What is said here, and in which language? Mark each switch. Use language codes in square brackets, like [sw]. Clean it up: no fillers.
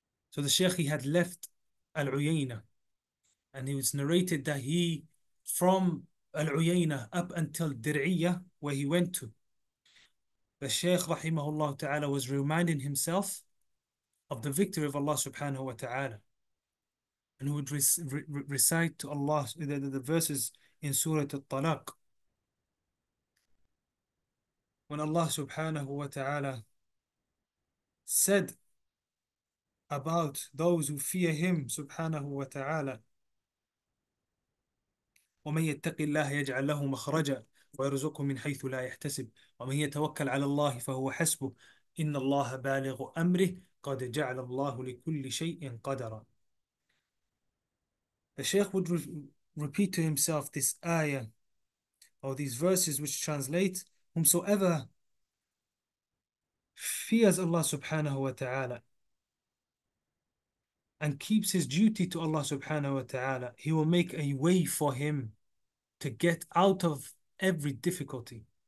[en] So the Shaykh, he had left Al-Uyayna, and it was narrated that he, from Al-Uyayna up until Dir'iyah, where he went to, the Shaykh rahimahullah ta'ala was reminding himself of the victory of Allah subhanahu wa ta'ala, and he would recite to Allah the verses in Surah Al-Talaq. When Allah subhanahu wa ta'ala said about those who fear him subhanahu wa ta'ala, [ar] وَمَنْ يَتَّقِ اللَّهَ يَجْعَلْ لَهُ مَخْرَجًا وَيَرْزُقُهُ مِنْ حَيْثُ لَا يَحْتَسِبُ وَمَنْ يَتَوَكَّلْ عَلَى اللَّهِ فَهُوَ حَسْبُهُ إِنَّ اللَّهَ بَالِغُ أَمْرِهِ قَدْ جَعْلَ اللَّهُ لِكُلِّ شَيْءٍ قَدَرًا. [en] The Shaykh would repeat to himself this ayah or these verses which translate, whomsoever fears Allah subhanahu wa ta'ala and keeps his duty to Allah subhanahu wa ta'ala, he will make a way for him to get out of every difficulty.